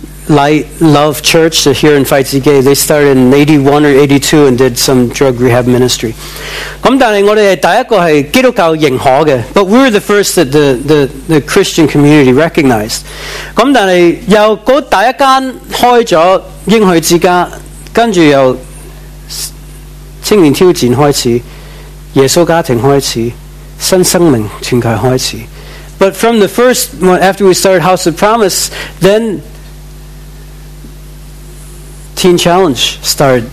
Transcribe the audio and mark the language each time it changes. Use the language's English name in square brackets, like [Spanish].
[English] Light Love Church here in Faizige. They started in 81 or 82 and did some drug rehab ministry. But we were the first that the Christian community recognized. [Cantonese] 跟住由青年挑戰開始，耶穌家庭開始，新生命團契開始。 [English] But from the first, after we started House of Promise, then Teen Challenge started.